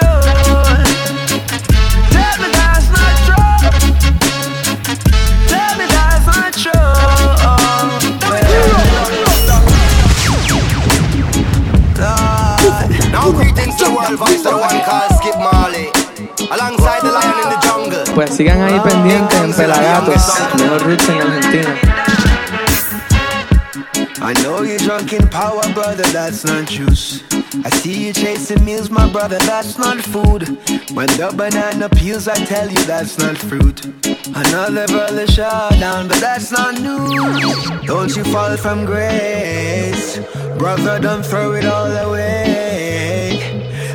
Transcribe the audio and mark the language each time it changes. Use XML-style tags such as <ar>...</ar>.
<en>Tell me that's not true. Tell me that's not true. Now greetings to World Vice, the one called Skip Marley, alongside the lion in the jungle.</en> <es>Pues sigan ahí pendientes en Pelagatos, mejor roots en Argentina.</es> <en>I know you're drunk in power, brother, that's not juice. I see you chasing meals, my brother, that's not food. When the banana peels, I tell you that's not fruit. Another brother shot down, but that's not new. Don't you fall from grace, brother, don't throw it all away.</en>